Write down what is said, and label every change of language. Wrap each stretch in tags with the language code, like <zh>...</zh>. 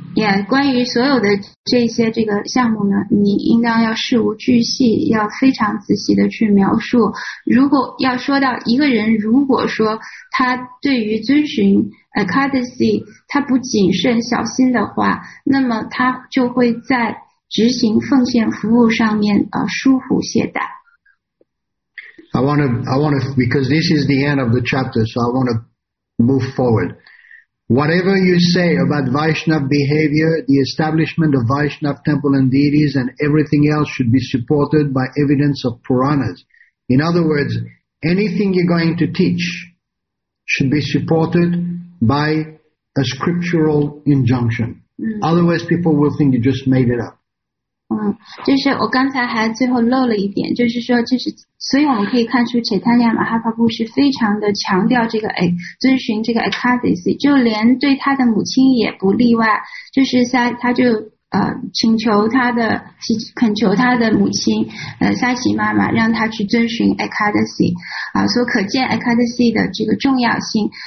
<zh>Yeah, 关于所有的这些这个项目呢，你应当要事无巨细，要非常仔细的去描述。如果要说到一个人，如果说他对于遵循 Ekadasi 他不谨慎小心的话，那么他就会在执行奉献服务上面疏忽懈怠。</zh> <en>I want to, because this is the end of the chapter, so I want to move forward. Whatever you say about Vaishnav behavior, the establishment of Vaishnav temple and deities and everything else should be supported by evidence of Puranas. In other words, anything you're going to teach should be supported by a scriptural injunction. Otherwise, people will think you just made it up.</en> <zh>就是我刚才还最后漏了一点，就是说，就是所以我们可以看出，切坦亚马哈帕布是非常的强调这个遵循这个 Ekadasi， 就连对他的母亲也不例外。就是他就恳求他的母亲，萨奇妈妈，让他去遵循 Ekadasi， 所可见 Ekadasi 的这个重要性。</zh>